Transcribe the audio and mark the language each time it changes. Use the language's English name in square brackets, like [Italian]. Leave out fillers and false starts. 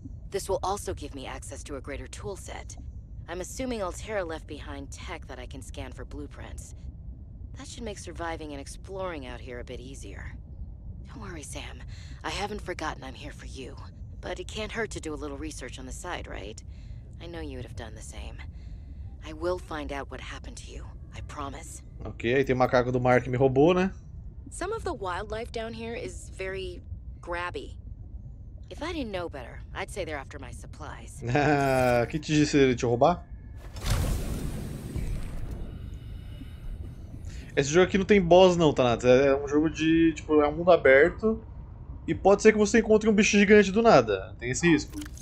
[English] This will also give me access to a greater tool set. I'm assuming Altera left behind tech that I can scan for blueprints. That should make surviving and exploring out here a bit easier. Don't worry, Sam. I haven't forgotten I'm here for you. But it can't hurt to do a little research on the side, right? I know you would have done the same. I will find out what happened to you. I promise. [Portuguese] Ok, aí tem o macaco do mar que me roubou, né? [English] Some of the wildlife down here is very grabby. If I didn't know better, I'd say they're after my supplies. [Portuguese] Que te disse ele te roubar? Esse jogo aqui não tem boss não, Thanatos. É um jogo de, tipo, é um mundo aberto. E pode ser que você encontre um bicho gigante do nada. Tem esse risco.